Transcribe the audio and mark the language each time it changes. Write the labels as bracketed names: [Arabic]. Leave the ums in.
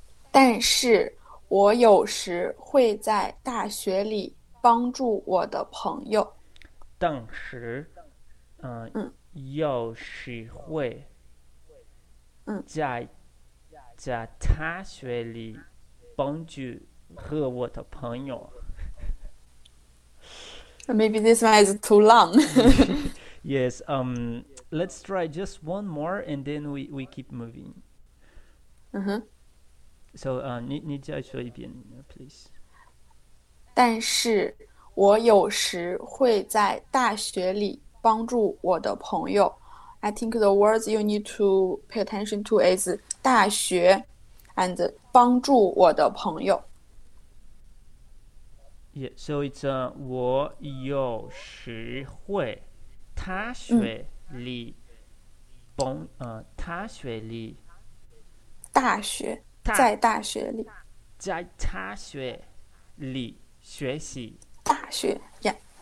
[Chinese] 但是我有时会在大学里帮助我的朋友。但时，嗯嗯，有时会，嗯，在在大学里帮助和我的朋友。 [English] maybe this one is too long yes um, let's try just one more and then we we keep moving So, uh mm-hmm. -huh. so uh show [Chinese] 一遍, [English] please [Chinese] 但是我有时会在大学里帮助我的朋友。 [English] I think the words you need to pay attention to is 大学 and [Chinese] 帮助我的朋友。所以，呃，我有时会，他学里，帮、嗯，呃，他学里，大学大，在大学里，在他学里学习。大学呀。Yeah.